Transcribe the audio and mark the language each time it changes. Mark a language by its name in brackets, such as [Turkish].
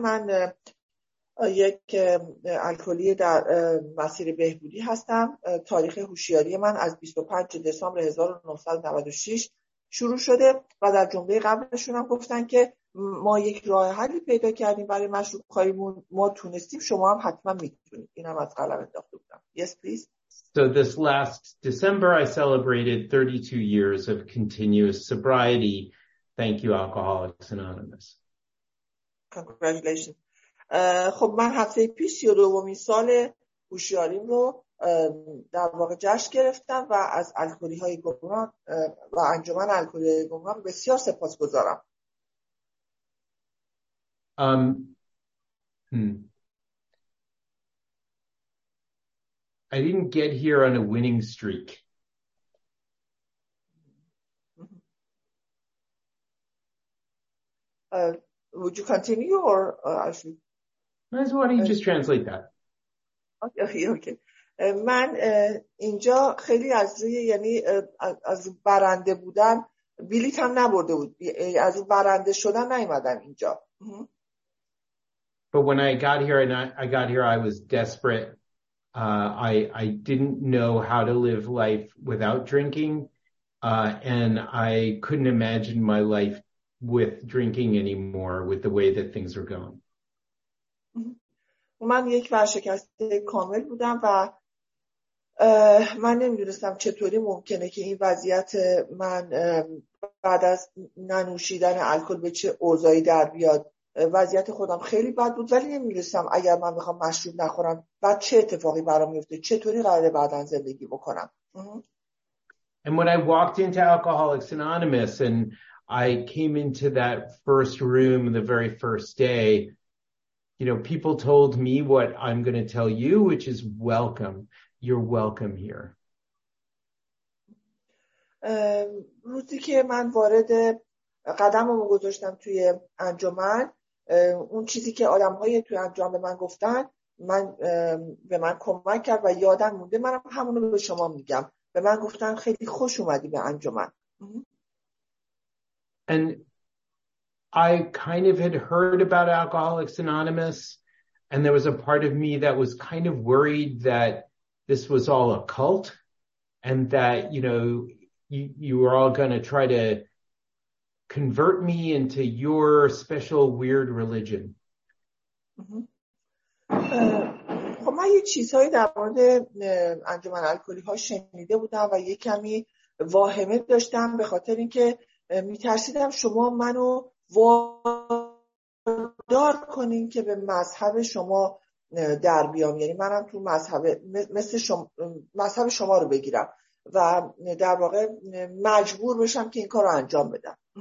[Persian] من یک الکلی در مسیر بهبودی هستم. تاریخ هوشیاری من از 25 دسامبر 1996 شروع شده و در جمله قبلشون هم گفتن که ما یک راه حلی پیدا کردیم برای مشروب خواهیمون. ما تونستیم. شما هم حتما میتونید. اینم از قلم انداخته بودم. [English] Yes, please. So this last December, I celebrated 32 years of continuous sobriety. Thank you, Alcoholics Anonymous. Congratulations. [Persian] خب من هفته پیش 32 سال هوشیاریم رو در واقع جشن گرفتم و از الکلی های گمران و انجمن الکلی های گمران بسیار سپاسگزارم. [English] I didn't get here on a winning streak. Would you continue or actually? Why don't you just translate that? Okay. [Persian] من اینجا خیلی از روی یعنی از برنده بودن بلیط هم نبرده بود. از برنده شدن نیومدم اینجا. [English] But when I got here and I got here, I was desperate. I didn't know how to live life without drinking, and I couldn't imagine my life with drinking anymore with the way that things were going. [Persian] من یک ورشکسته کامل بودم و من نمیدونستم چطوری ممکنه که این وضعیت من بعد از ننوشیدن الکل به چه اوضاعی در بیاد. وضعیت خودم خیلی بد بود ولی نمی‌دونستم اگر من بخوام مشروب نخورم بعد چه اتفاقی برام میفته، چطوری قراره بعداً زندگی بکنم. [English] And when I walked into Alcoholics Anonymous and I came into that first room the very first day, you know, people told me what I'm going to tell you, which is welcome. You're welcome here. [Persian] روزی که من وارد قدممو گذاشتم توی انجمن، اون چیزی که آدم‌های توی انجمن به من گفتن، من به من کمک کرد و یادم مونده. منم همونو به شما میگم. به من گفتن خیلی خوش اومدی به انجمن. [English] And I kind of had heard about Alcoholics Anonymous, and there was a part of me that was kind of worried that this was all a cult, and that you were all going to try to convert me into your special weird religion. [Persian] خب من یه چیزهایی در مورد انجمن الکلی‌ها شنیده بودم و یه کمی واهمه داشتم به خاطر اینکه می‌ترسیدم شما منو وادار کنین که به مذهب شما در بیام، یعنی منم تو مذهب مثل شما مذهب شما رو بگیرم و در واقع مجبور بشم که این کارو انجام بدم.